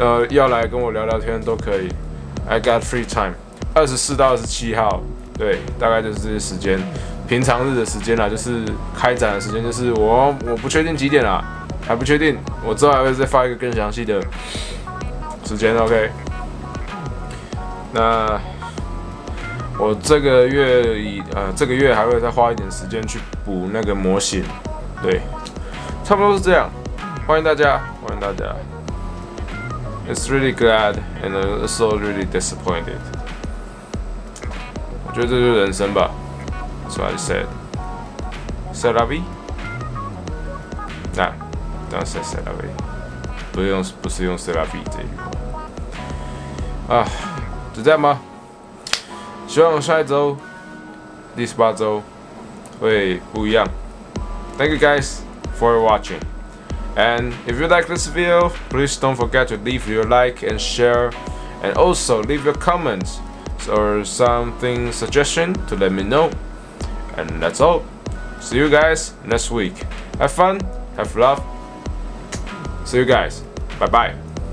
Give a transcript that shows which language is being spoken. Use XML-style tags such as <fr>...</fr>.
<zh>要来跟我聊聊天都可以，</zh> <en>I got free time，</en> <zh>24到27号，对，大概就是这些时间，平常日的时间啦，就是开展的时间，就是我不确定几点啦，还不确定，我之后还会再发一个更详细的时间， OK。那我这个月这个月还会再花一点时间去补那个模型，对，差不多是这样，欢迎大家。</zh> <en>It's really glad and also really disappointed.</en> <zh>我觉得这就是人生吧。</zh> <en>So I said,</en> <fr>c'est la vie?</fr> <en>Nah, don't say c'est la vie.</en> <zh>不是用</zh> <fr>c'est la vie</fr> <zh>这句话。啊，就这样吧。希望下一周，第十八周会不一样。</zh> <en>Thank you guys for watching. And if you like this video, please don't forget to leave your like and share, and also leave your comments or something suggestion to let me know. And that's all. See you guys next week. Have fun, have love. See you guys. Bye bye.</en>